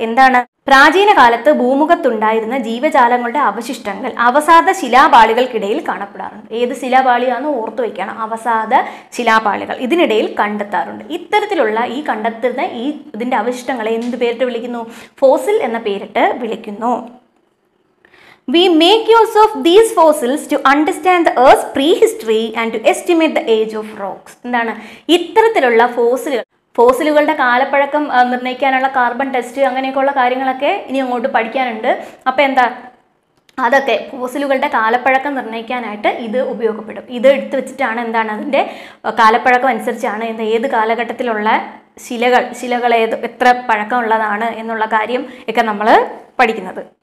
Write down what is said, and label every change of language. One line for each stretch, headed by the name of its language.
Malayalam: എന്താണ്, പ്രാചീന കാലത്ത് ഭൂമുഖത്തുണ്ടായിരുന്ന ജീവജാലങ്ങളുടെ അവശിഷ്ടങ്ങൾ അവസാദ ശിലാപാളികൾക്കിടയിൽ കാണപ്പെടാറുണ്ട്. ഏത് ശിലാപാളിയാന്ന് ഓർത്തു വയ്ക്കണം, അവസാദ ശിലാപാളികൾ ഇതിനിടയിൽ കണ്ടെത്താറുണ്ട്. ഇത്തരത്തിലുള്ള ഈ കണ്ടെത്തുന്ന ഈ ഇതിൻ്റെ അവശിഷ്ടങ്ങളെ എന്ത് പേരിട്ട് വിളിക്കുന്നു, ഫോസിൽ എന്ന പേരിട്ട് വിളിക്കുന്നു.
English: We make use of these fossils to understand the earth's prehistory and to estimate the age of rocks.
Malayalam: എന്താണ് ഇത്തരത്തിലുള്ള ഫോസിലുകൾ ഫോസിലുകളുടെ കാലപ്പഴക്കം നിർണ്ണയിക്കാനുള്ള കാർബൺ ടെസ്റ്റ് അങ്ങനെയൊക്കെയുള്ള കാര്യങ്ങളൊക്കെ ഇനി അങ്ങോട്ട് പഠിക്കാനുണ്ട്. അപ്പം എന്താ അതൊക്കെ ഫോസിലുകളുടെ കാലപ്പഴക്കം നിർണ്ണയിക്കാനായിട്ട് ഇത് ഉപയോഗപ്പെടും. ഇത് എടുത്തു വെച്ചിട്ടാണ് എന്താണ് അതിൻ്റെ കാലപ്പഴക്കം അനുസരിച്ചാണ് എന്ത് ഏത് കാലഘട്ടത്തിലുള്ള ശിലകൾ ഏത് എത്ര പഴക്കമുള്ളതാണ് എന്നുള്ള കാര്യം ഒക്കെ നമ്മൾ പഠിക്കുന്നത്.